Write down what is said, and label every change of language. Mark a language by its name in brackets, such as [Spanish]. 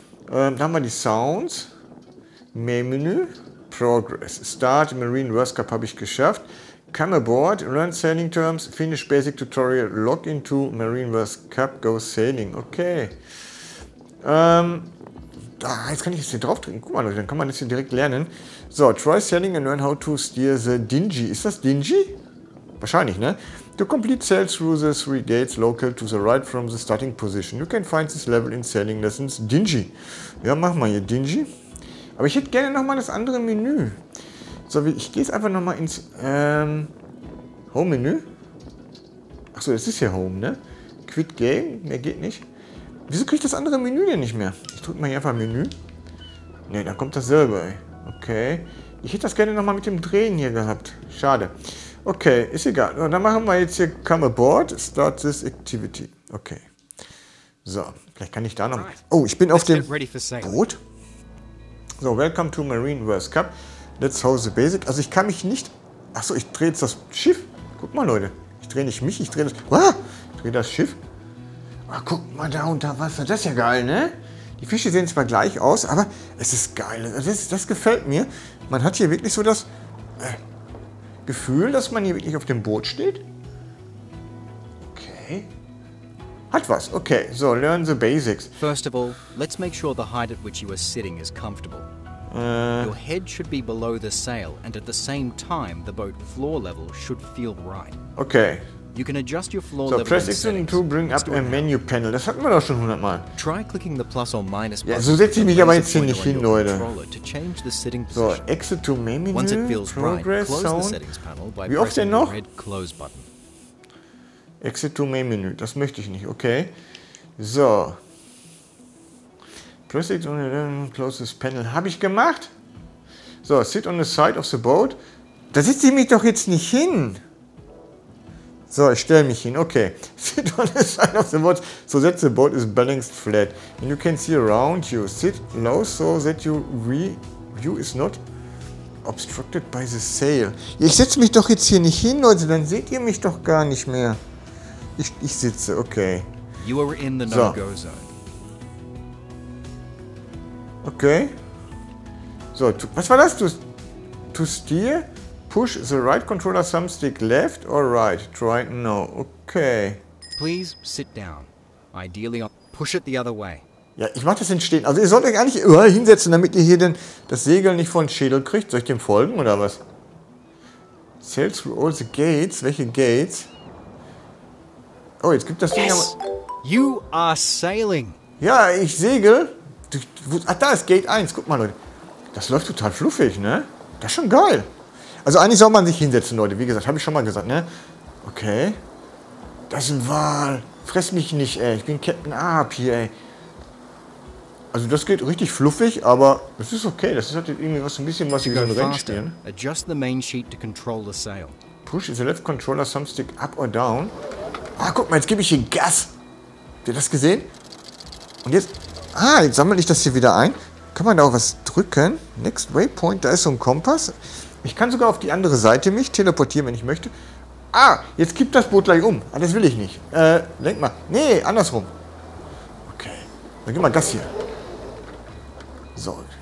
[German] Dann haben wir die Sounds. Main-Menü. Progress. Start, Marine Worst Cup habe ich geschafft. [English] Come aboard, learn sailing terms. Finish basic tutorial. Log into Marine Worst Cup, go sailing. Okay. [German] Jetzt kann ich jetzt hier drauf drücken. Guck mal, Leute, dann kann man das hier direkt lernen. [English] So, try sailing and learn how to steer the dinghy. [German] Ist das dinghy? Wahrscheinlich, ne? [English] To complete sail through the three gates local to the right from the starting position. You can find this level in sailing lessons dingy. [German] Ja, mach mal hier dingy. Aber ich hätte gerne nochmal das andere Menü. So, ich gehe jetzt einfach nochmal ins Home-Menü. Achso, das ist ja Home, ne? Quit Game, mehr geht nicht. Wieso kriege ich das andere Menü denn nicht mehr? Ich drücke mal hier einfach Menü. Ne, da kommt dasselbe. Okay. Ich hätte das gerne nochmal mit dem Drehen hier gehabt. Schade. Okay, ist egal. Und dann machen wir jetzt hier [English] Come Aboard, Start This Activity. [German] Okay. So, vielleicht kann ich da noch... Oh, ich bin auf dem Boot. [English] So, Welcome to Marine World Cup. Let's hold the basic. [German] Also ich kann mich nicht... Achso, ich drehe jetzt das Schiff. Guck mal, Leute. Ich drehe nicht mich, ich drehe das... Ah, ich drehe das Schiff. Ah, guck mal, da unter Wasser. Das ist ja geil, ne? Die Fische sehen zwar gleich aus, aber es ist geil. Das gefällt mir. Man hat hier wirklich so das... Gefühl, dass man hier wirklich auf dem Boot steht. Okay. Hat was. Okay. So, [English] learn the basics. First of all, let's make sure the height at which you are sitting is comfortable. Your head should be below the sail and at the same time the boat floor level should feel right. Okay. You can adjust your floor so, level. So, press X and 2 bring up a menu panel. [German] Das hatten wir doch schon 100 Mal. [English] Try clicking the plus or minus [German] button. Ja, so setze ich mich aber jetzt hier nicht hin, Leute. [English] So, exit to main menu. Once it feels progress right, close sound. The settings panel by [German] Wie oft denn noch? [English] Red close button. Exit to main menu. [German] Das möchte ich nicht. Okay. So. [English] Press X and close this panel. [German] Habe ich gemacht. [English] So, sit on the side of the boat. [German] Da setze ich mich doch jetzt nicht hin. [English] So, [German] ich stelle mich hin. [English] Okay. Sit on the side of the boat. So that the boat is balanced flat. And you can see around you. Sit low so that your view is not obstructed by the sail. [German] Ich setze mich doch jetzt hier nicht hin, Leute. Dann seht ihr mich doch gar nicht mehr. Ich sitze. Okay. [English] You are in the no-go zone. [German] Okay. So, was war das? To steer? [English] Push the right controller thumbstick left or right? Try no. Okay. Please sit down. Ideally, push it the other way. [German] Ja, ich mach das in Stehen. Also ihr sollt euch eigentlich überall hinsetzen, damit ihr hier denn das Segel nicht vor den Schädel kriegt. Soll ich dem folgen oder was? [English] Sail through all the gates. [German] Welche Gates? Oh, jetzt gibt das Ding [English] aber... You are sailing. [German] Ja, ich segel. Ach, da ist Gate 1. Guck mal, Leute. Das läuft total fluffig, ne? Das ist schon geil. Also eigentlich soll man sich hinsetzen, Leute. Wie gesagt, habe ich schon mal gesagt, ne? Okay. Das ist ein Wal. Fress mich nicht, ey. Ich bin Captain Ahab hier, ey. Also das geht richtig fluffig, aber es ist okay. Das hat irgendwie was, ein bisschen was wie so ein Rennstern. [English] Adjust the main sheet to control the sail. Push the left controller thumbstick up or down. [German] Ah, guck mal, jetzt gebe ich hier Gas. Habt ihr das gesehen? Und jetzt... Ah, jetzt sammle ich das hier wieder ein. Kann man da auch was drücken? Next Waypoint, da ist so ein Kompass. Ich kann sogar auf die andere Seite mich teleportieren, wenn ich möchte. Ah, jetzt kippt das Boot gleich um. Ah, das will ich nicht. Lenk mal. Nee, andersrum. Okay. Dann gib mal das hier. So.